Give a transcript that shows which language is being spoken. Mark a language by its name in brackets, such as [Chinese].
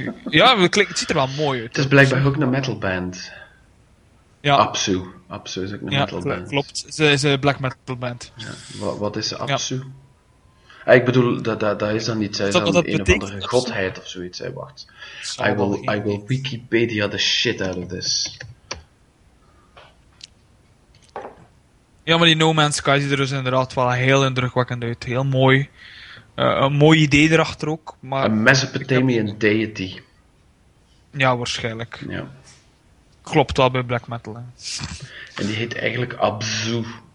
[Dutch] Ja, het ziet er wel mooi uit. Het is blijkbaar ook een metal band. Ja. Abzu is ook een metal band. Klopt, ze is een black metal band. Ja. Wat is Abzu? Ja. Ah, ik bedoel, dat is dan niet zij dan een of andere godheid of zoiets. Hey, wacht. [English] I will Wikipedia the shit out of this. [Dutch] Ja, maar die No Man's Sky ziet er dus inderdaad wel heel indrukwekkend uit. Heel mooi. Een mooi idee erachter ook. Maar [English] een Mesopotamian deity. [Dutch] Ja, waarschijnlijk. Ja. Klopt wel bij black metal. Hè. En die heet eigenlijk Abzu.